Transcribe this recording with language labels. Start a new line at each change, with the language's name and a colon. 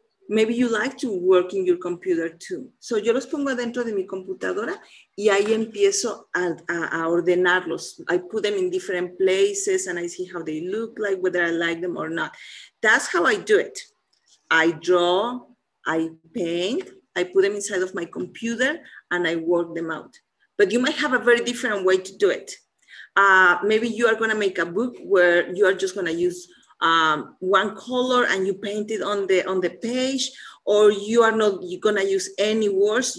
English: Maybe you like to work in your computer too.
Spanish: So yo los pongo adentro de mi computadora y ahí empiezo a ordenarlos.
English: I put them in different places and I see how they look like, whether I like them or not. That's how I do it. I draw, I paint, I put them inside of my computer and I work them out. But you might have a very different way to do it. Maybe you are going to make a book where you are just going to use one color and you paint it on the page, or you are not going to use any words.